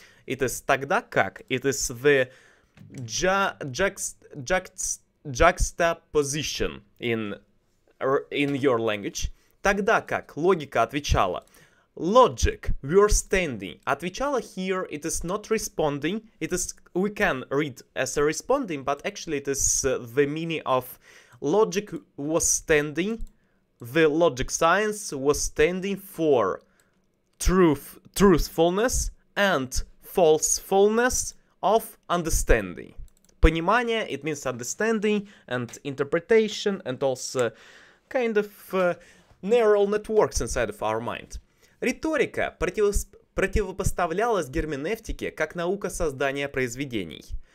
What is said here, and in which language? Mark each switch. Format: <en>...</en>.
<en>It is</en> <ru>тогда как,</ru> <en>it is the juxtaposition in your language.</en> <ru>Тогда как логика отвечала.</ru> <en>Logic, we are standing. Отвечала here, it is not responding. It is, we can read as a responding, but actually it is the meaning of logic was standing. The logic science was standing for truthfulness and falsefulness of understanding. Понимание, it means understanding and interpretation and also kind of neural networks inside of our mind.</en> <ru>Риторика противопоставлялась герменевтике как наука создания произведений.</ru>